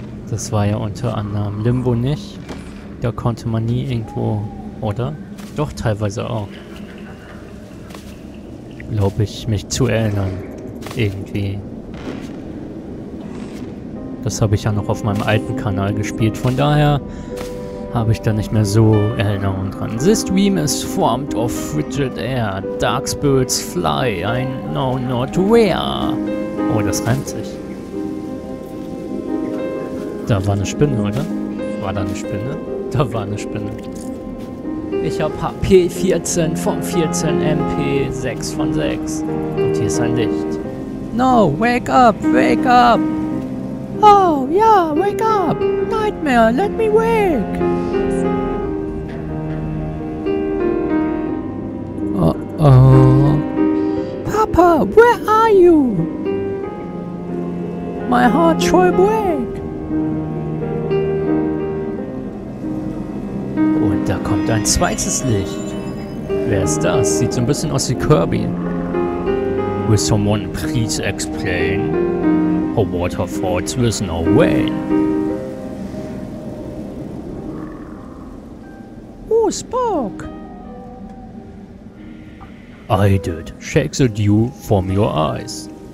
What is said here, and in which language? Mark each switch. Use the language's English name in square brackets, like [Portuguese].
[German] Das war ja unter anderem Limbo nicht. Da konnte man nie irgendwo, oder? Doch, teilweise auch. Glaube ich, mich zu erinnern. Irgendwie. Das habe ich ja noch auf meinem alten Kanal gespielt. Von daher habe ich da nicht mehr so Erinnerungen dran. [English] This stream is formed of frigid air. Dark spirits fly. I know not where. [German] Oh, das reimt sich. Da war eine Spinne, oder? War da eine Spinne? Da war eine Spinne. Ich hab HP 14 von 14, MP 6 von 6. Und hier ist ein Licht. [English] No, wake up, wake up! Oh, yeah, wake up! Nightmare, let me wake! Papa, where are you? My heart should break. [German] Und da kommt ein zweites Licht. Wer ist das? Sieht so ein bisschen aus wie Kirby. [English] Will someone please explain? A waterfall with no way. Who spoke? I did. Shake the dew from your eyes.